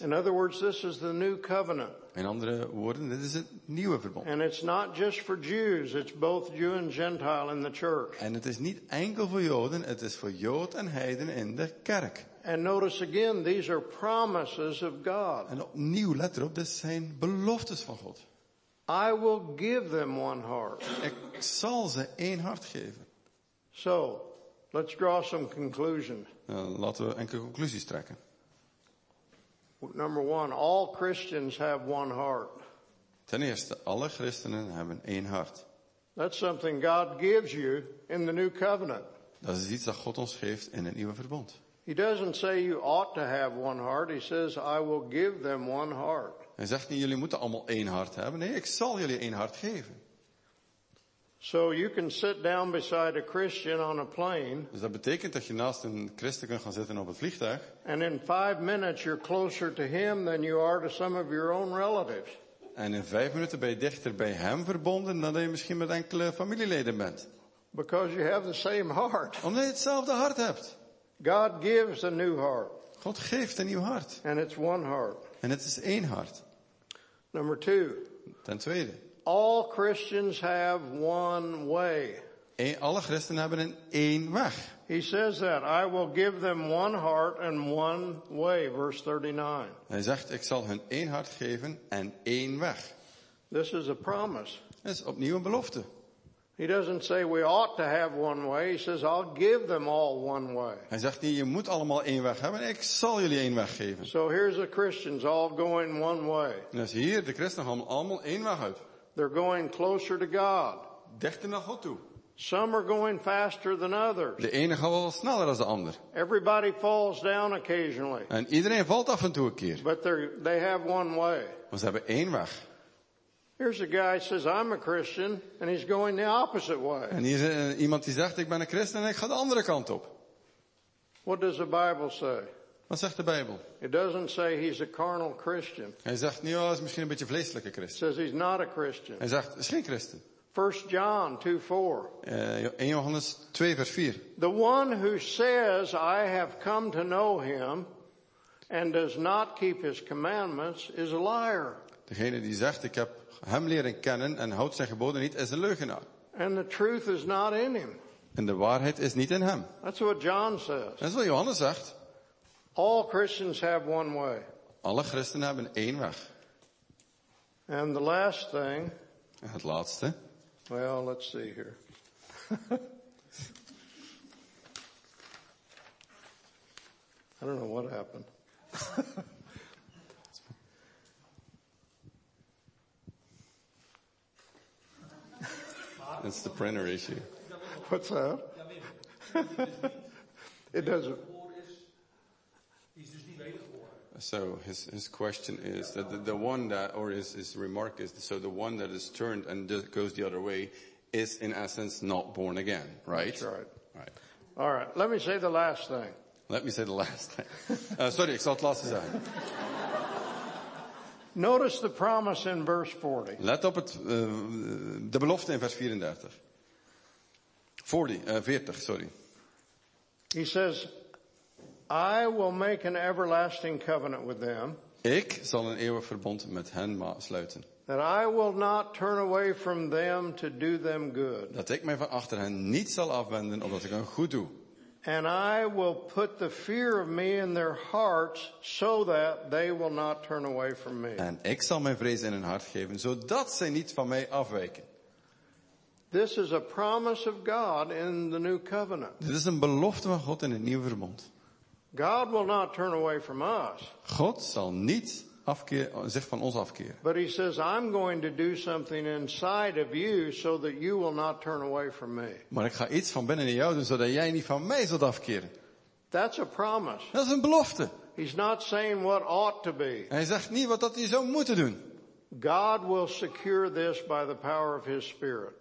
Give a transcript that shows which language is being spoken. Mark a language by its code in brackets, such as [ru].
[en] In other words, this is the new covenant. [nl] In andere woorden, dit is het nieuwe verbond. [en] And it's not just for Jews, it's both Jew and Gentile in the church. [nl] En het is niet enkel voor Joden, het is voor Jood en Heiden in de kerk. [en] And notice again, these are promises of God. [nl] En opnieuw, let erop, dit zijn beloftes van God. [en] I will give them one heart. [nl] Ik zal ze één hart geven. [en] So, let's draw some conclusions. [nl] Laten we enkele conclusies trekken. [en] Number one, all Christians have one heart. [nl] Ten eerste, alle christenen hebben één hart. [en] That's something God gives you in the new covenant. [nl] Dat is iets dat God ons geeft in het nieuwe verbond. [en] He doesn't say you ought to have one heart. He says, I will give them one heart. [nl] Hij zegt niet, jullie moeten allemaal één hart hebben. Nee, ik zal jullie één hart geven. [en] So you can sit down beside a Christian on a plane. [nl] Dus dat betekent dat je naast een christen kunt gaan zitten op het vliegtuig. [en] And in 5 minutes you're closer to him than you are to some of your own relatives. [nl] En in 5 minuten ben je dichter bij hem verbonden dan dat je misschien met enkele familieleden bent. [en] Because you have the same heart. [nl] Omdat je hetzelfde hart hebt. [en] God gives a new heart. [nl] God geeft een nieuw hart. [en] And it's one heart. [nl] En het is één hart. [en] Number two. [nl] Ten tweede. [en] All Christians have one way. [nl] Alle christenen hebben een één weg. [en] He says that I will give them one heart and one way, verse 39. [nl] Hij zegt, ik zal hun één hart geven en één weg. [en] This is a promise. [nl] Dat is opnieuw een belofte. [en] He doesn't say we ought to have one way. He says I'll give them all one way. [nl] Hij zegt niet, je moet allemaal één weg hebben. Ik zal jullie één weg geven. [en] So here's the Christians all going one way. [nl] Dus hier de christenen gaan allemaal één weg uit. [en] They're going closer to God. [nl] Dichter naar God toe. [en] Some are going faster than others. [nl] De ene gaat wel sneller dan de ander. [en] Everybody falls down occasionally. [nl] En iedereen valt af en toe een keer. [en] But they have one way. [nl] Maar ze hebben één weg. [en] Here's a guy who says I'm a Christian and he's going the opposite way. [nl] En hier is iemand die zegt ik ben een christen en ik ga de andere kant op. [en] What does the Bible say? [nl] Wat zegt de Bijbel? [en] It doesn't say he's a carnal Christian. [nl] Hij zegt niet, oh, hij is misschien een beetje vleeselijke christen. [en] Says he's not a Christian. [nl] Hij zegt, hij is geen christen. [en] 1 John 2:4. [nl] 1 Johannes 2 vers 4. [en] The one who says I have come to know him and does not keep his commandments is a liar. [nl] Degene die zegt ik heb hem leren kennen en houdt zijn geboden niet is een leugenaar. [en] And the truth is not in him. [nl] En de waarheid is niet in hem. [en] That's what John says. [nl] Dat is wat Johannes zegt. [en] All Christians have one way. [nl] Alle christenen hebben één weg. [en] And the last thing. [nl] En het laatste. [en] Well, let's see here. I don't know what happened. It's the printer issue. What's that? It doesn't. So his question is that the one that is turned and goes the other way is in essence not born again, right? That's right. Right. All right. Let me say the last thing. [nl] Sorry, ik zal het laatste zeggen. [en] Notice the promise in verse 40. [nl] Let op het de belofte in vers 34. [en] 40, 40, sorry. He says, I will make an everlasting covenant with them. [nl] Ik zal een eeuwig verbond met hen sluiten. [en] That I will not turn away from them to do them good. [nl] Dat ik mij van achter hen niet zal afwenden omdat ik hen goed doe. [en] And I will put the fear of me in their hearts so that they will not turn away from me. [nl] En ik zal mijn vrees in hun hart geven zodat zij niet van mij afwijken. [en] This is a promise of God in the new covenant. [nl] Dit is een belofte van God in het nieuwe verbond. [en] God will not turn away from us. [nl] God zal niet zich van ons afkeren. [en] But he says, I'm going to do something inside of you so that you will not turn away from me. [nl] Maar ik ga iets van binnen in jou doen zodat jij niet van mij zult afkeren. [en] That's a promise. [nl] Dat is een belofte. [en] He's not saying what ought to be. [nl] Hij zegt niet wat dat hij zou moeten doen. [en] God will secure this by the power of his spirit.